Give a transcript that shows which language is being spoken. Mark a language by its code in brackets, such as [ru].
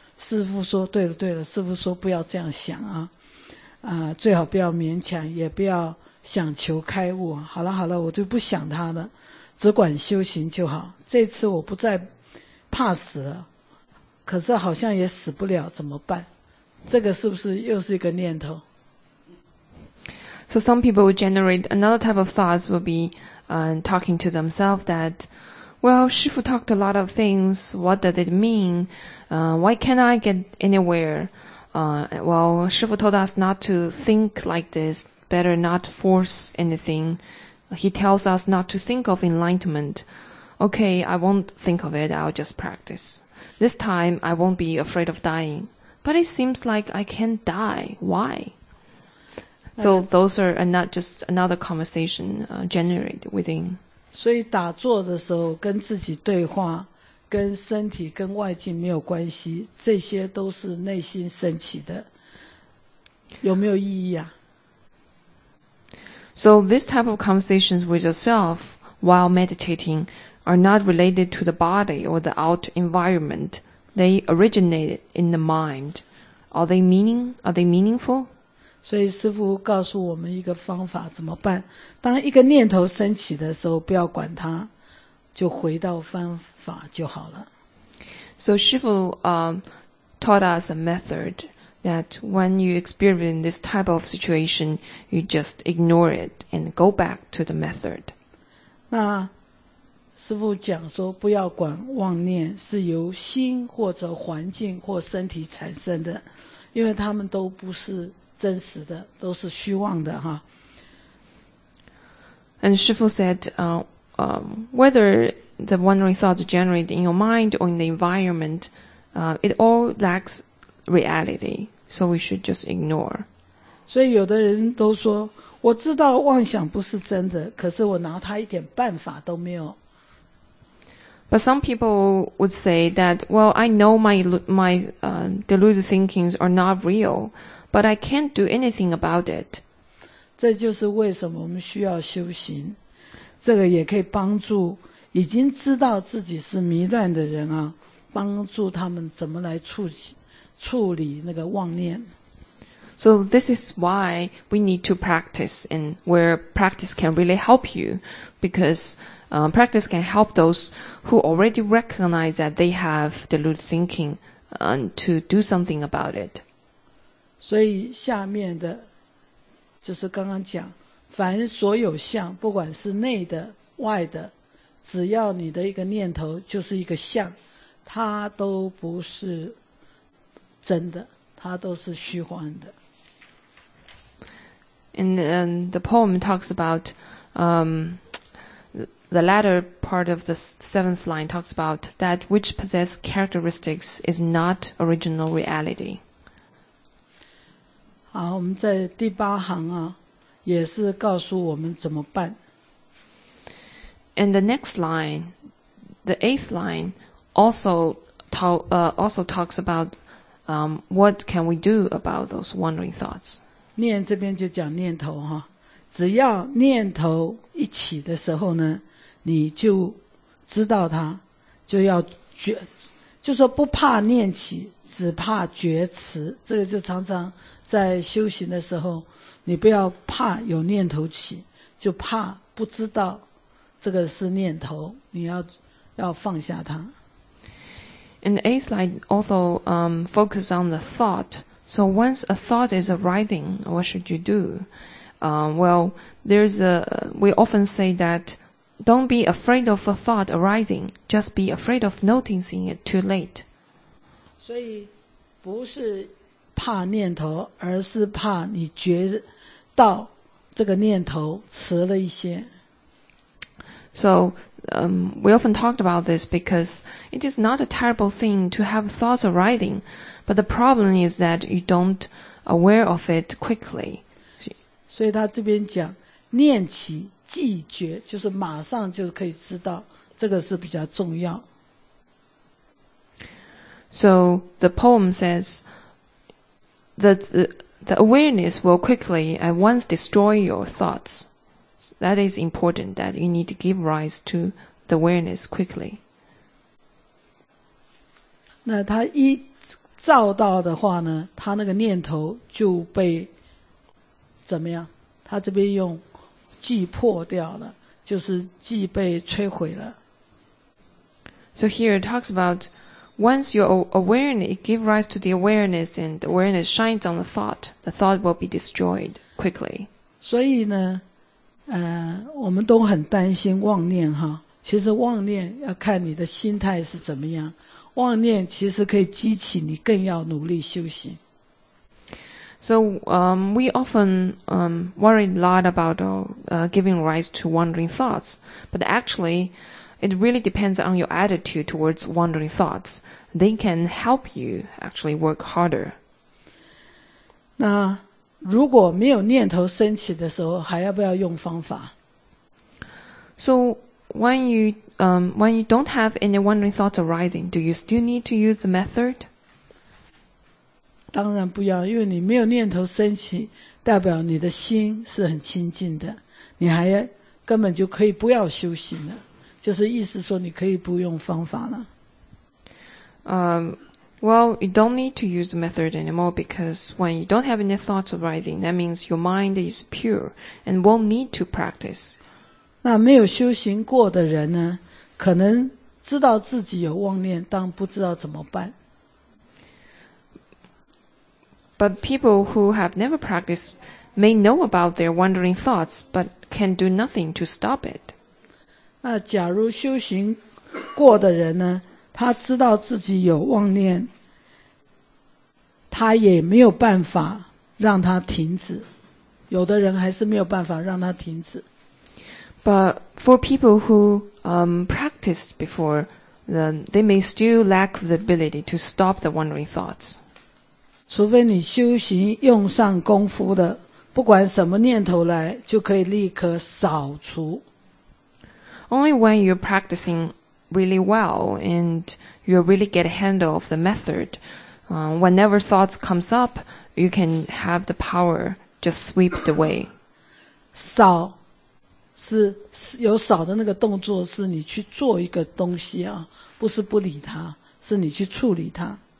[zh] 师父说对了对了，师父说不要这样想啊，最好不要勉强，也不要想求开悟。好了好了，我就不想他了，只管修行就好。这次我不再怕死了，可是好像也死不了，怎么办？这个是不是又是一个念头？ [en] So some people would generate another type of thoughts would be talking to themselves that, well, Shifu talked a lot of things. What does it mean? Why can't I get anywhere? Well, Shifu told us not to think like this, better not force anything. He tells us not to think of enlightenment. Okay, I won't think of it. I'll just practice. This time, I won't be afraid of dying. But it seems like I can't die. Why? So those are not just another conversation generated within. [zh] 所以打坐的时候跟自己对话，跟身体跟外境没有关系，这些都是内心升起的，有没有意义啊？ [en] So this type of conversations with yourself while meditating are not related to the body or the outer environment. They originate in the mind. Are they meaningful? [zh] 所以师父告诉我们一个方法，怎么办？当一个念头升起的时候，不要管它，就回到方法就好了。 [en] So 师父taught us a method that when you experience this type of situation, you just ignore it and go back to the method. [zh] 那师父讲说，不要管妄念是由心或者环境或身体产生的，因为他们都不是。真实的都是虚妄的哈。 [en] And 师父 said, whether the wandering thoughts generate in your mind or in the environment, it all lacks reality, so we should just ignore. [zh] 所以有的人都说，我知道妄想不是真的，可是我拿它一点办法都没有。 [en] But some people would say that, well, I know my deluded thinkings are not real. But I can't do anything about it. [zh] 这就是为什么我们需要修行。这个也可以帮助已经知道自己是迷乱的人啊，帮助他们怎么来处理那个妄念。 [en] So this is why we need to practice, and where practice can really help you, because practice can help those who already recognize that they have deluded thinking, to do something about it. [zh] 所以下面的就是刚刚讲，凡所有相，不管是内的外的，只要你的一个念头就是一个相，它都不是真的，它都是虚幻的。 [en] And the poem talks about the latter part of the seventh line talks about that which possess characteristics is not original reality. [zh] 好，我们在第八行啊，也是告诉我们怎么办。 [en] And the next line, the eighth line, also talks about what can we do about those wandering thoughts. [zh] 念这边就讲念头哈，只要念头一起的时候呢，你就知道它，就要觉，就说不怕念起。只怕觉迟，这个就常常在修行的时候，你不要怕有念头起，就怕不知道这个是念头，你要放下它。 [en] And the eighth line also focus on the thought. So once a thought is arising, what should you do? We often say that don't be afraid of a thought arising, just be afraid of noticing it too late. [zh] 所以不是怕念头，而是怕你觉到这个念头迟了一些。 [en] So, we often talked about this because it is not a terrible thing to have thoughts arising, but the problem is that you don't aware of it quickly. [zh] 所以他这边讲，念起即觉，就是马上就可以知道，这个是比较重要。 [en] So the poem says that the awareness will quickly at once destroy your thoughts. that is important that you need to give rise to the awareness quickly. [zh] 那他一照到的话呢，他那个念头就被怎么样？他这边用既破掉了，就是既被摧毁了。 [en] So here it talks about once your awareness, it gives rise to the awareness and the awareness shines on the thought will be destroyed quickly. [zh] 所以呢，我们都很担心妄念哈。其实妄念要看你的心态是怎么样。妄念其实可以激起你更要努力修行。 [en] So, we often, worry a lot about, giving rise to wandering thoughts. But actually, it really depends on your attitude towards wandering thoughts. They can help you actually work harder. [zh] 那如果没有念头升起的时候，还要不要用方法？ [en] So, when you don't have any wandering thoughts arising, do you still need to use the method? [zh] 当然不要，因为你没有念头升起，代表你的心是很清净的，你还根本就可以不要修行了，就是意思说你可以不用方法了。 [en] Well, you don't need to use the method anymore because when you don't have any thoughts arising, that means your mind is pure and won't need to practice. [zh] 那没有修行过的人呢，可能知道自己有妄念，但不知道怎么办。 [en] But people who have never practiced may know about their wandering thoughts, but can do nothing to stop it. [zh] 那假如修行过的人呢，他知道自己有妄念，他也没有办法让他停止。有的人还是没有办法让他停止。 [en] But for people who practiced before, they may still lack the ability to stop the wandering thoughts. [zh] 除非你修行用上功夫的，不管什么念头来，就可以立刻扫除。 [en] Only when you're practicing really well and you really get a handle of the method, whenever thoughts comes up, you can have the power just sweep it away. [zh] 扫是有扫的那个动作，是你去做一个东西啊，不是不理它，是你去处理它。